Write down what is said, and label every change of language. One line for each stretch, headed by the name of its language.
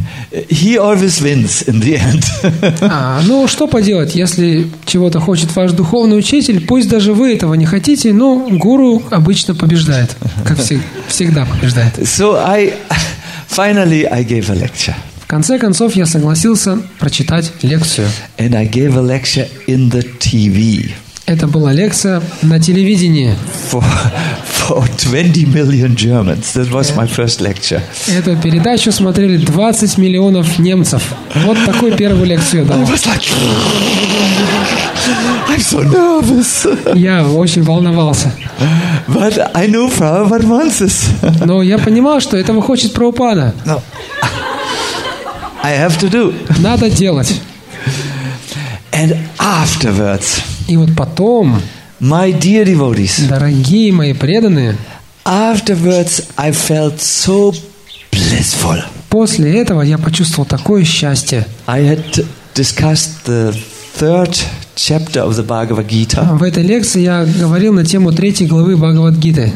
English: He always wins in the end.
Russian: Ну что поделать, если чего-то хочет ваш духовный учитель, пусть даже вы этого не хотите, но гуру обычно побеждает, как всегда побеждает.
English: So I finally I gave a lecture.
Russian: В конце концов я согласился прочитать лекцию.
English: And I gave a lecture in the TV.
Russian: Это была лекция на телевидении.
English: For 20 million Germans. That was my first lecture.
Russian: Эту передачу смотрели 20 миллионов немцев. Вот такую первую лекцию я дал.
English: I was like, I'm so nervous.
Russian: Я очень волновался.
English: But I knew Prabhupada wants this.
Russian: Но я понимал, что этого хочет Прабхупада.
English: No. I have to do.
Russian: Надо делать.
English: And afterwards.
Russian: И вот потом,
English: my dear devotees,
Russian: дорогие мои преданные,
English: afterwards I felt so blissful.
Russian: После этого я почувствовал такое счастье.
English: I had discussed the third chapter of the Bhagavad Gita.
Russian: В этой лекции я говорил на тему третьей главы Бхагавад Гиты.